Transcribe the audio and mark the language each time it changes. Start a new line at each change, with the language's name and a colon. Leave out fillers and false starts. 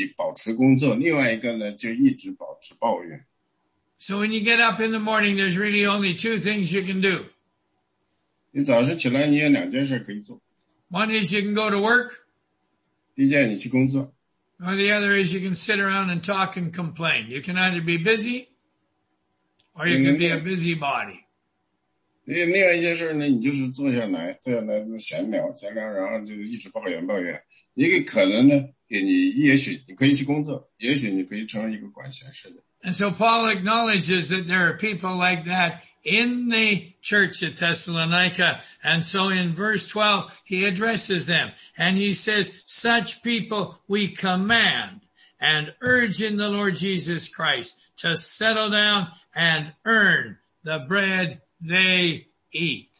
Chinese: 他们本来应该是积极的工作的，但是他们却在那里抱怨。他们有同样的神，但是其中呢，一个呢，就是一直保持工作，另外一个呢，就一直保持抱怨。
English: So when you get up in the morning, there's really only two things you can do.
Chinese: 你早上起来，你有两件事可以做。
English: One is you can go to work.
Chinese: 第一件你去工作。
English: Or the other is you can sit around and talk and complain. You can either be busy or you can be a busybody.
Chinese: 另外一件事呢，你就是坐下来，坐下来闲聊，闲聊，然后就一直抱怨抱怨。你可能呢，你也许你可以去工作，也许你可以成为一个管闲事的。
English: And so Paul acknowledges that there are people like that in the church at Thessalonica. And so in verse 12, he addresses them and he says, such people we command and urge in the Lord Jesus Christ to settle down and earn the bread they eat.